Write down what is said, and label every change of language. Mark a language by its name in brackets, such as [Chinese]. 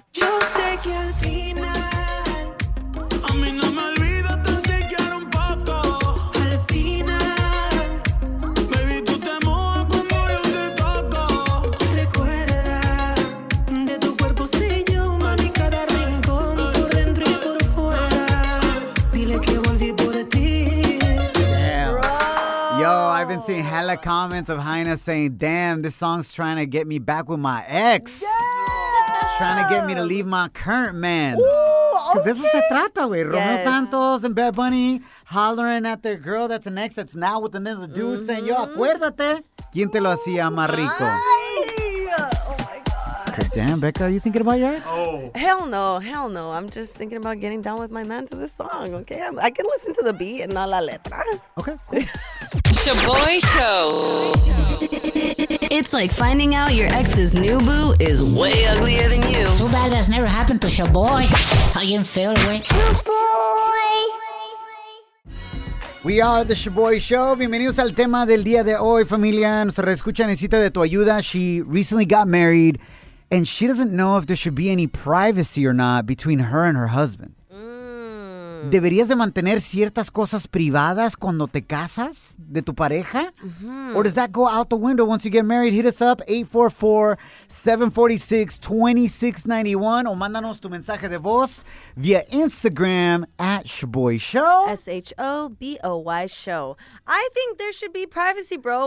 [Spanish] Yo sé que al final, a mí no me olvido, te enseñar un poco. Al final, baby, tú te mojas cuando yo te toco. Recuerda de tu cuerpo sello, mami, cada rincón, por dentro y por fuera. Dile que volví por ti. [English] Damn. Bro. Yo, I've been seeing hella comments of Hyena saying, damn, this song's trying to get me back with my ex. Yes! Trying to get me to leave my current man. Okay. [Spanish] De eso se trata, güey. [English] Yes. Romeo Santos and Bad Bunny hollering at their girl that's an ex that's now with another dude saying, yo, [Spanish] acuérdate. ¿Quién te lo hacía más rico? [English] Ay! Oh, my God. It's crazy. But damn, Becca, are you thinking about your ex? Oh. Hell no, hell no. I'm just thinking about getting down with my man to this song, okay? I can listen to the beat and not [Spanish] la letra. [English] Okay, cool. Shaboy Show. It's like finding out your ex's new boo is way uglier than you. Too bad that's never happened to Shaboy. How you feel, boy? Shaboy. We are the Shaboy Show. [Spanish] Bienvenidos al tema del día de hoy, familia. Nuestra reescucha necesita de tu ayuda. [English] She recently got married, and she doesn't know if there should be any privacy or not between her and her husband. [Spanish] ¿Deberías de mantener ciertas cosas privadas cuando te casas de tu pareja? Mm-hmm. [English] Or does that go out the window once you get married? Hit us up, 844-746-2691, [Spanish] o mándanos tu mensaje de voz [English] via Instagram, at Shaboy Show. S-H-O-B-O-Y Show. I think there should be privacy, bro.